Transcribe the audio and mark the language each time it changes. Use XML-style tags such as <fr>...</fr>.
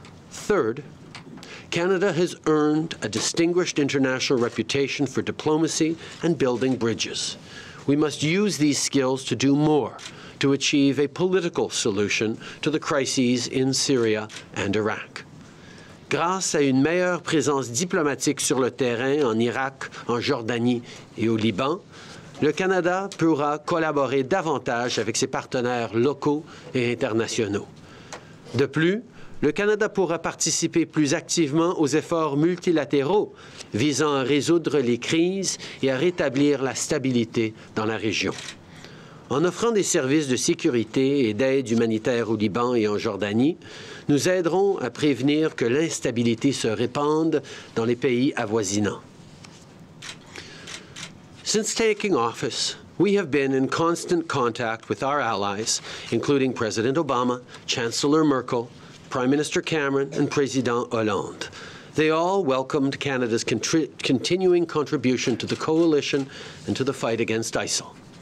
<en>Third, Canada has earned a distinguished international reputation for diplomacy and building bridges. We must use these skills to do more to achieve a political solution to the crises in Syria and Iraq.</en> <fr>Grâce à une meilleure présence diplomatique sur le terrain en Irak, en Jordanie et au Liban, le Canada pourra collaborer davantage avec ses partenaires locaux et internationaux. De plus, le Canada pourra participer plus activement aux efforts multilatéraux visant à résoudre les crises et à rétablir la stabilité dans la région. En offrant des services de sécurité et d'aide humanitaire au Liban et en Jordanie, nous aiderons à prévenir que l'instabilité se répande dans les pays avoisinants.</fr> <en>Since taking office, we have been in constant contact with our allies, including President Obama, Chancellor Merkel, Prime Minister Cameron, and President Hollande. They all welcomed Canada's continuing contribution to the coalition and to the fight against ISIL.</en>